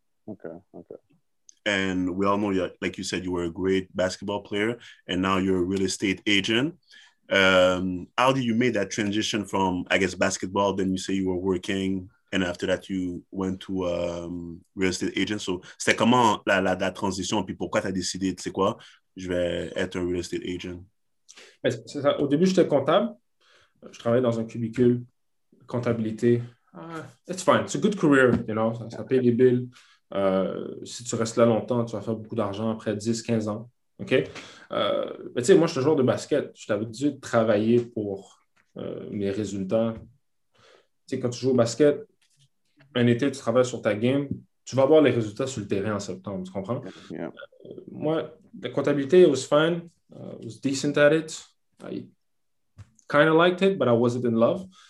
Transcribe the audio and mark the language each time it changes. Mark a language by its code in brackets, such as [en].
[en] Okay. And we all know, like you said, you were a great basketball player, and now you're a real estate agent. How did you make that transition from, I guess, basketball? Then you say you were working, and after that you went to real estate agent. [fr] So c'est comment la transition, puis pourquoi t'as décidé, tu sais quoi, je vais être un real estate agent? C'est ça. Au début, j'étais comptable. Je travaillais dans un cubicule, comptabilité. [en] It's fine. It's a good career, you know. [fr] Ça paye les billes. Si tu restes là longtemps, tu vas faire beaucoup d'argent après 10, 15 ans. OK? Mais tu sais, moi, je suis un joueur de basket. Je suis habitué de travailler pour mes résultats. Tu sais, quand tu joues au basket, un été, tu travailles sur ta game, tu vas avoir les résultats sur le terrain en septembre. Tu comprends? [en] Yeah. [fr] Moi, la comptabilité, [en] it was fine. I was decent at it. I kind of liked it, but I wasn't in love.